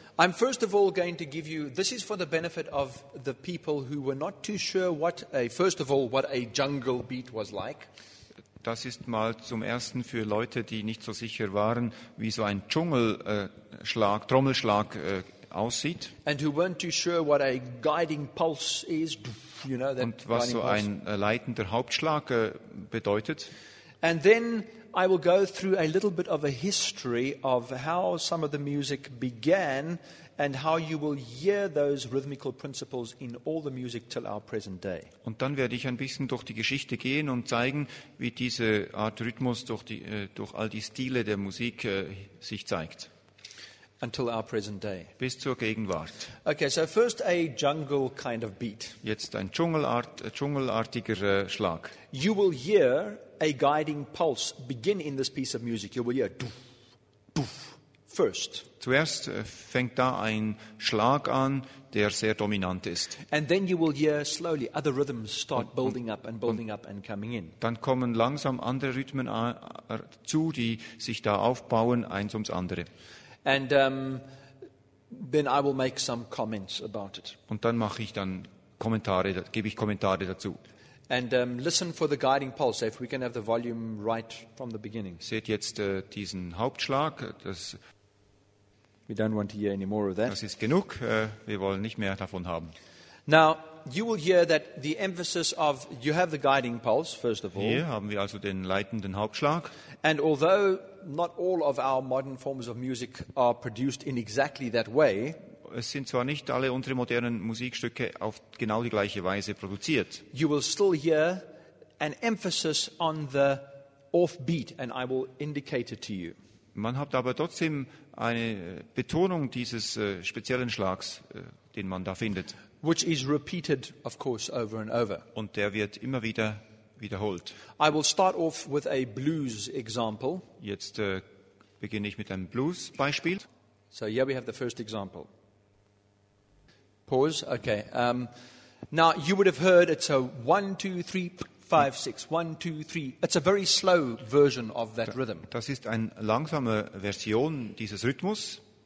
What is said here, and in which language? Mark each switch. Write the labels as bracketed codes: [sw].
[en] I'm first of all going to give you. This is for the benefit of the people who were not too sure what a jungle beat was like. [de] Das ist mal zum Ersten für Leute, die nicht so sicher waren, wie so ein Dschungelschlag, Trommelschlag aussieht. [en] And who weren't too sure what a guiding pulse is, you know, that. [de] Und was so ein leitender Hauptschlag bedeutet. [en] And then I will go through a little bit of a history of how some of the music began and how you will hear those rhythmical principles in all the music till our present day. [de] Und dann werde ich ein bisschen durch die Geschichte gehen und zeigen, wie diese Art Rhythmus durch all die Stile der Musik sich zeigt. [en] Until our present day. [de] Bis zur Gegenwart. [en] Okay, so first a jungle kind of beat. [de] Jetzt ein dschungelartiger Schlag. [en] You will hear a guiding pulse begin in this piece of music. You will hear doof, doof, first. [de] Zuerst fängt da ein Schlag an, der sehr dominant ist. [en] And then you will hear slowly other rhythms start building up and building up and coming in. [de] Dann kommen langsam andere Rhythmen zu, die sich da aufbauen, eins ums andere. [en] And then I will make some comments about it. [de] Und dann mache ich dann Kommentare, gebe ich Kommentare dazu. [en] And listen for the guiding pulse. If we can have the volume right from the beginning. [de] Seht jetzt diesen Hauptschlag. Das, [en] we don't want to hear any more of that. [de] Das ist genug. Wir wollen nicht mehr davon haben. [en] Now you will hear that the emphasis of you have the guiding pulse first of all. [de] Hier haben wir also den leitenden Hauptschlag. [en] And although not all of our modern forms of music are produced in exactly that way. [de] Es sind zwar nicht alle unsere modernen Musikstücke auf genau die gleiche Weise produziert. [en] You will still hear an emphasis on the offbeat, and I will indicate it to you. [de] Man hat aber trotzdem eine Betonung dieses speziellen Schlags, den man da findet. [en] Which is repeated, of course, over and over. [de] Und der wird immer wieder wiederholt. [en] I will start off with a blues example. [de] Jetzt beginne ich mit einem Blues-Beispiel. [en] So here we have the first example. Pause. Okay. Now you would have heard it's a 1 2 3 5 6 1 2 3. It's a very slow version of that rhythm. [de] Das ist eine langsame Version dieses Rhythmus.